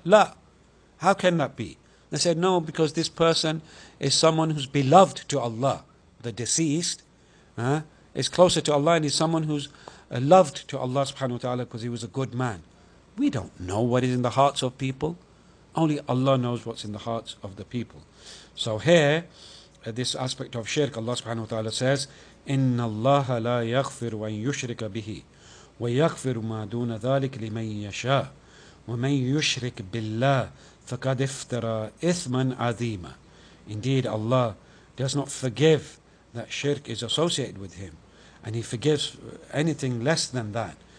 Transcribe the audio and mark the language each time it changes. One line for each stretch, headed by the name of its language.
English: La, how can that be? They said, no, because this person is someone who's beloved to Allah. The deceased is closer to Allah and is someone who's loved to Allah subhanahu wa ta'ala because he was a good man. We don't know what is in the hearts of people. Only Allah knows what's in the hearts of the people.
Arabic: So here, this aspect of shirk, Allah subhanahu wa ta'ala says, إِنَّ اللَّهَ لَا يَغْفِرُ وَإِنْ يُشْرِكَ بِهِ وَيَغْفِرُ مَا دُونَ ذَلِكَ لِمَنْ يَشَاءُ وَمَنْ يُشْرِكْ بِاللَّهِ فَقَدْ افْتَرَى إِثْمًا عَظِيمًا.
English: Indeed, Allah does not forgive that shirk is associated with him, and he forgives anything less than that.